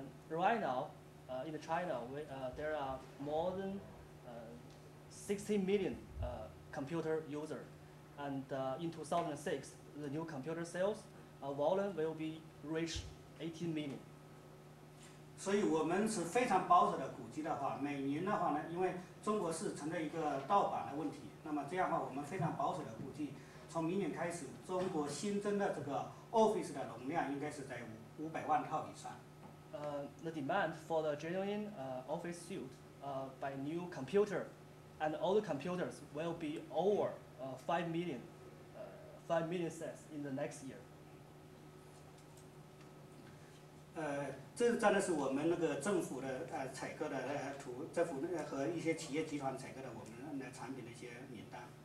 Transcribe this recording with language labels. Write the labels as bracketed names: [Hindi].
[English] Right now, in China, there are more than 16 million computer user, and in 2006, the new computer sales volume will be reached 18 million. [Chinese] 所以我们是非常保守的估计的话，每年的话呢，因为中国是存在一个盗版的问题，那么这样的话，我们非常保守的估计，从明年开始，中国新增的这个 office 的容量应该是在500万套以上。 [English] The demand for the genuine office suit by new computer. And all the computers will be over 5 million sets in the next year. [Chinese] 这张呢是我们那个政府的采购的图，政府和一些企业集团采购的我们的产品的一些名单。